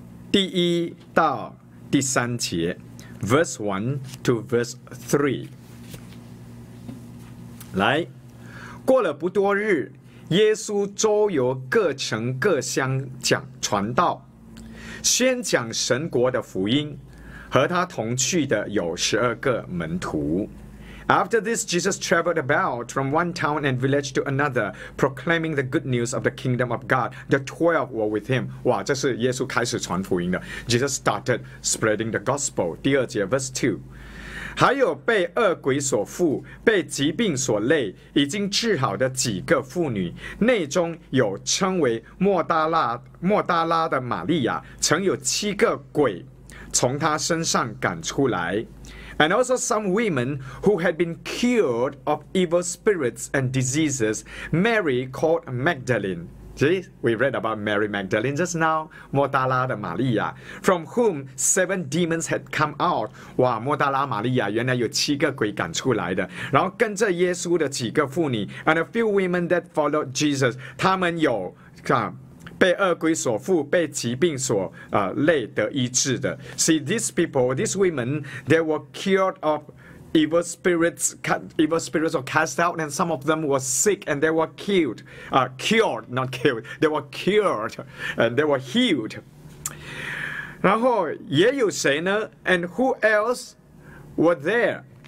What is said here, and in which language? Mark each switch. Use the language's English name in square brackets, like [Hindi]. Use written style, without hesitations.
[Chinese] 第一到第三节 ，verse 1 to verse 3。来，过了不多日，耶稣周游各城各乡讲传道，宣讲神国的福音，和他同去的有12门徒。 [English] After this, Jesus traveled about from one town and village to another, proclaiming the good news of the kingdom of God. The 12 were with him. [Chinese] 哇，这是耶稣开始传福音的。 [English] Jesus started spreading the gospel. [Chinese] 第二节 [English] ,verse 2. [Chinese] 还有被恶鬼所附、被疾病所累、已经治好的几个妇女，内中有称为莫大拉的玛利亚，曾有7鬼从她身上赶出来。 [English] And also some women who had been cured of evil spirits and diseases, Mary called Magdalene. See, we read about Mary Magdalene just now, 莫大拉的玛利亚, from whom 7 demons had come out. [Chinese] 哇,莫大拉玛利亚原来有7鬼赶出来的。然后跟着耶稣的几个妇女, [English] and a few women that followed Jesus, [Chinese] 他们有被恶鬼所缚，被疾病所累得医治的。 [English] See these people, these women, they were cured of evil spirits were cast out, and some of them were sick and they were killed. Cured, not killed. They were cured and they were healed. [Chinese] 然后也有谁呢？ [English] And who else were there?